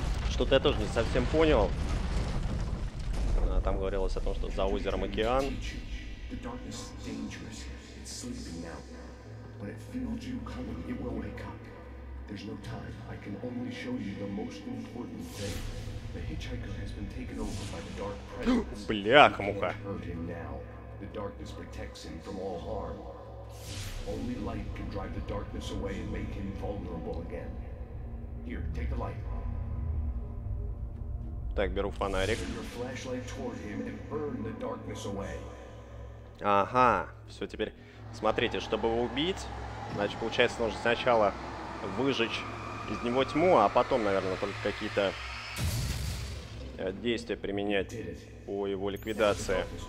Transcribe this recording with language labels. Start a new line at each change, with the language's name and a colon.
Russian: Что-то я тоже не совсем понял. А, там говорилось о том, что за озером океан.
English: The darkness is dangerous. It's sleeping now. When it feels you coming, it will wake up. There's no time. I can only show you the most important thing. The hitchhiker has been taken over by the dark presence.
Russian: Бляха-муха.
English: You can't hurt him now. The darkness protects him from all harm. Only light can drive the darkness away and make him vulnerable again. Here, take the light.
Russian: Так, беру фонарик.
English: Your flashlight toward him and burn the darkness away.
Russian: Ага, все, теперь смотрите, чтобы его убить, значит, получается, нужно сначала выжечь из него тьму, а потом, наверное, только какие-то действия применять по его ликвидации.